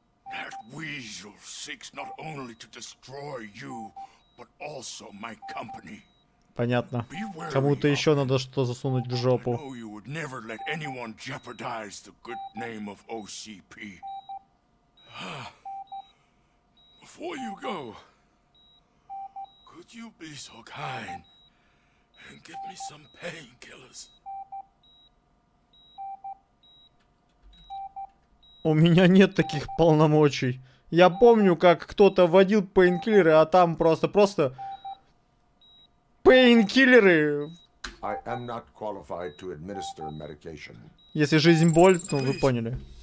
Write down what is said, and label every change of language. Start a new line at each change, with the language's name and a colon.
English: That weasel seeks not only to destroy you, but also my company.
Russian: Понятно. Кому-то еще надо что-то засунуть в жопу.
English: I know you would never let anyone jeopardize the good name of OCP. Before you go, could you be so kind and give me some painkillers?
Russian: У меня нет таких полномочий. Я помню, как кто-то вводил пейнкиллеры, а там просто... Пейнкиллеры!
English: I am not qualified to administer medication.
Russian: Если жизнь болит, ну вы поняли.